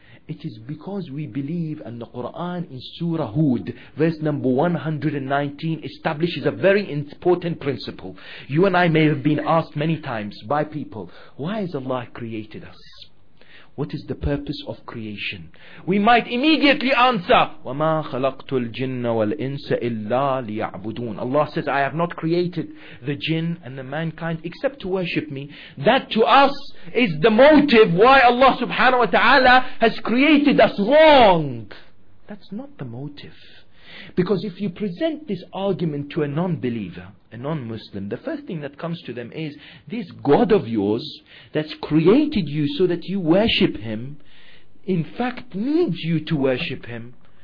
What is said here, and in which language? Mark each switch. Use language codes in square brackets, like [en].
[en] It is because we believe, and the Quran in Surah Hud, verse number 119, establishes a very important principle. You and I may have been asked many times by people, why has Allah created us? What is the purpose of creation? We might immediately answer, [ar] وَمَا خَلَقْتُ الْجِنَّ وَالْإِنسَ إِلَّا لِيَعْبُدُونَ. [en] Allah says, I have not created the jinn and the mankind except to worship me. That to us is the motive why Allah subhanahu wa ta'ala has created us wrong. That's not the motive. Because if you present this argument to a non-believer, a non-Muslim, the first thing that comes to them is, this God of yours that's created you so that you worship him, in fact needs you to worship him.